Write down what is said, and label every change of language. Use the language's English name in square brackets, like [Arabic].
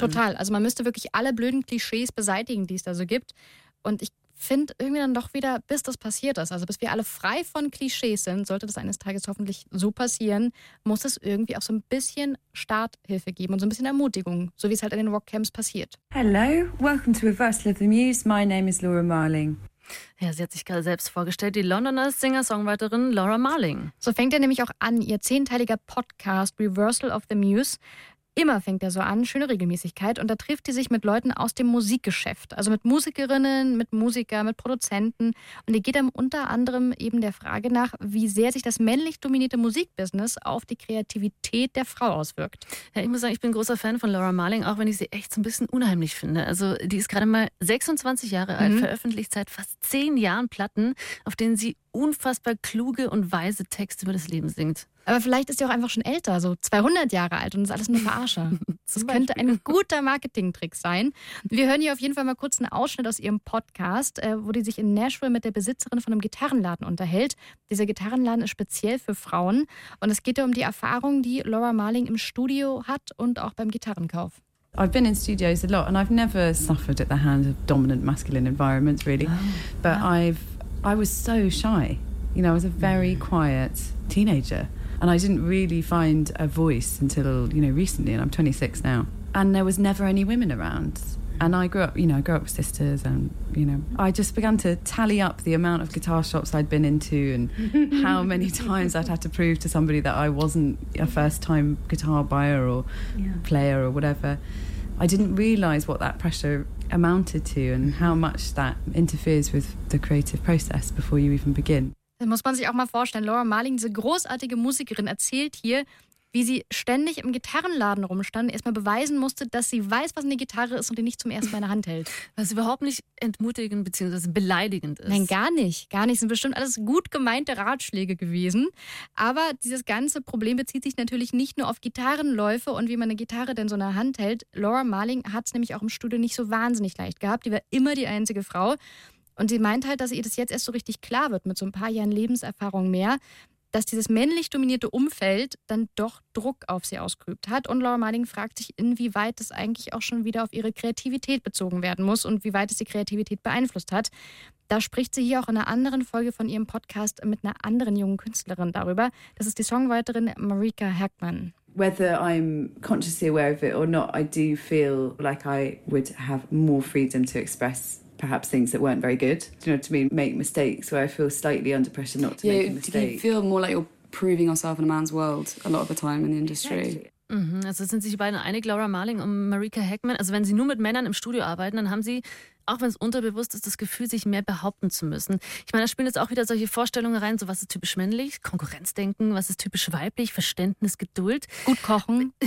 [German] Total, also man müsste wirklich alle blöden Klischees beseitigen, die es da so gibt. Und ich finde irgendwie dann doch wieder, bis das passiert ist, also bis wir alle frei von Klischees sind, sollte das eines Tages hoffentlich so passieren, muss es irgendwie auch so ein bisschen Starthilfe geben und so ein bisschen Ermutigung, so wie es halt in den Rockcamps passiert. [English] Hello, welcome to Reversal of the Muse, my name is Laura Marling. [German] Ja, sie hat sich gerade selbst vorgestellt, die Londoner Singer-Songwriterin Laura Marling. So fängt er nämlich auch an, ihr 10-teiliger Podcast Reversal of the Muse. Immer fängt er so an, schöne Regelmäßigkeit, und da trifft sie sich mit Leuten aus dem Musikgeschäft, also mit Musikerinnen, mit Musikern, mit Produzenten, und die geht dann unter anderem eben der Frage nach, wie sehr sich das männlich dominierte Musikbusiness auf die Kreativität der Frau auswirkt. Ja, ich muss sagen, ich bin großer Fan von Laura Marling, auch wenn ich sie echt so ein bisschen unheimlich finde. Also die ist gerade mal 26 Jahre alt, veröffentlicht seit fast 10 Jahren Platten, auf denen sie unfassbar kluge und weise Texte über das Leben singt. Aber vielleicht ist sie auch einfach schon älter, so 200 Jahre alt, und ist alles nur Verarsche. Das könnte ein guter Marketingtrick sein. Wir hören hier auf jeden Fall mal kurz einen Ausschnitt aus ihrem Podcast, wo die sich in Nashville mit der Besitzerin von einem Gitarrenladen unterhält. Dieser Gitarrenladen ist speziell für Frauen, und es geht ja um die Erfahrung, die Laura Marling im Studio hat und auch beim Gitarrenkauf. [English] I've been in studios a lot and I've never suffered at the hands of dominant masculine environments really. But I was so shy. You know, I was a very quiet teenager. And I didn't really find a voice until, you know, recently, and I'm 26 now. And there was never any women around. And I grew up, you know, I grew up with sisters, and, you know, I just began to tally up the amount of guitar shops I'd been into and how many times I'd had to prove to somebody that I wasn't a first-time guitar buyer or player or whatever. I didn't realise what that pressure amounted to and how much that interferes with the creative process before you even begin. [German] Das muss man sich auch mal vorstellen. Laura Marling, diese großartige Musikerin, erzählt hier, wie sie ständig im Gitarrenladen rumstand und erstmal beweisen musste, dass sie weiß, was eine Gitarre ist und die nicht zum ersten Mal in der Hand hält. Was überhaupt nicht entmutigend bzw. beleidigend ist. Nein, gar nicht. Gar nicht. Es sind bestimmt alles gut gemeinte Ratschläge gewesen. Aber dieses ganze Problem bezieht sich natürlich nicht nur auf Gitarrenläufe und wie man eine Gitarre denn so in der Hand hält. Laura Marling hat es nämlich auch im Studio nicht so wahnsinnig leicht gehabt. Die war immer die einzige Frau. Und sie meint halt, dass ihr das jetzt erst so richtig klar wird mit so ein paar Jahren Lebenserfahrung mehr, dass dieses männlich dominierte Umfeld dann doch Druck auf sie ausgeübt hat. Und Laura Marling fragt sich, inwieweit das eigentlich auch schon wieder auf ihre Kreativität bezogen werden muss und wie weit es die Kreativität beeinflusst hat. Da spricht sie hier auch in einer anderen Folge von ihrem Podcast mit einer anderen jungen Künstlerin darüber. Das ist die Songwriterin Marika Hackmann. [English] Whether I'm consciously aware of it or not, I do feel like I would have more freedom to express perhaps things that weren't very good. Do you know what I mean? Make mistakes where I feel slightly under pressure not to make a mistake. Yeah, you feel more like you're proving yourself in a man's world a lot of the time in the industry. Mm-hmm. [German] Also sind sich beide einig, Laura Marling und Marika Hackmann. Also wenn sie nur mit Männern im Studio arbeiten, dann haben sie, auch wenn es unterbewusst ist, das Gefühl, sich mehr behaupten zu müssen. Ich meine, da spielen jetzt auch wieder solche Vorstellungen rein, so was ist typisch männlich, Konkurrenzdenken, was ist typisch weiblich, Verständnis, Geduld. Gut kochen.